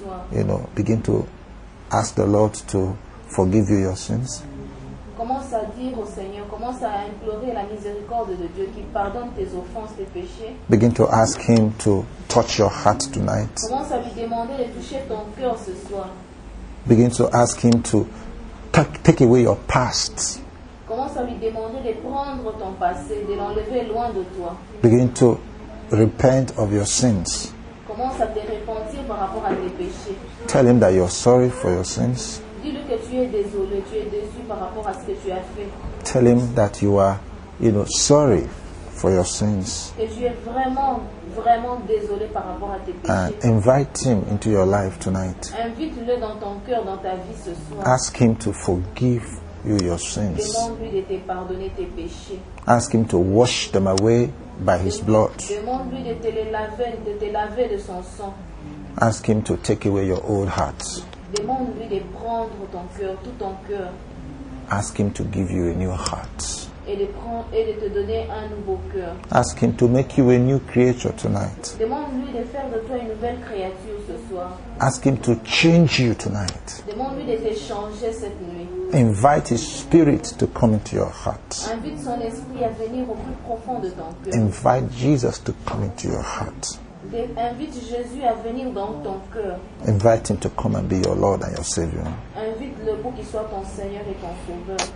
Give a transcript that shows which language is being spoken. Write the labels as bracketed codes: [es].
[en] You know, begin to ask the Lord to forgive you your sins. [fr] Commence à dire au Seigneur, commence à implorer la miséricorde de Dieu qui pardonne tes offenses, tes péchés. [en] Begin to ask him to touch your heart tonight. [fr] Commence à lui demander de toucher ton cœur ce soir. [en] Begin to ask him to take away your past. [fr] Commence à lui demander de prendre ton passé, de l'enlever loin de toi. [en] Begin to repent of your sins. [fr] Commence à te repentir par rapport à tes péchés. [en] Tell him that you're sorry for your sins. [fr] Dis-lui que tu es désolé, tu es déçu par rapport à ce que tu as fait. [en] Tell him that you are, you know, sorry for your sins. [fr] Et tu es vraiment, vraiment désolé par rapport à tes péchés. [en] And invite him into your life tonight. [fr] Invite-le dans ton cœur, dans ta vie ce soir. [en] Ask him to forgive you your sins. [fr] Demande-lui de te pardonner tes péchés. [en] Ask him to wash them away by his blood. [fr] Demande-lui de te les laver, de te laver de son sang. [en] Ask him to take away your old heart. [fr] Demande-lui de prendre ton cœur, tout ton cœur. [en] Ask him to give you a new heart. [fr] Et de te donner un nouveau cœur. [en] Ask him to make you a new creature tonight. [fr] Demande-lui de faire de toi une nouvelle créature ce soir. [en] Ask him to change you tonight. [fr] Demande-lui de te changer cette nuit. [en] Invite his spirit to come into your heart. [fr] Invite son esprit à venir au plus profond de ton cœur. [en] Invite Jesus to come into your heart. [fr] Invite Jésus à venir dans ton cœur. [en] Invite him to come and be your Lord and your Savior. [fr] Invite-le pour qu'il soit ton Seigneur et ton Sauveur.